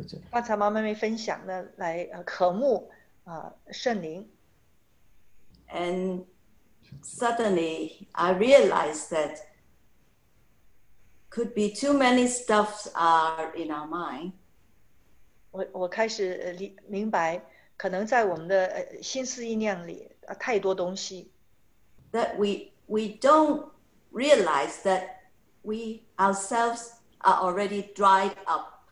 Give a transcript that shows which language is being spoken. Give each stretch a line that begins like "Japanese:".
Chinese: 刚才妈妈没分享的来渴慕圣灵。
English: And suddenly I realized that could be too many stuffs are in our mind.
Chinese: 我开始明白可能在我们的心思意念里太多东西。
English: That we don't realize that we ourselves are already dried up.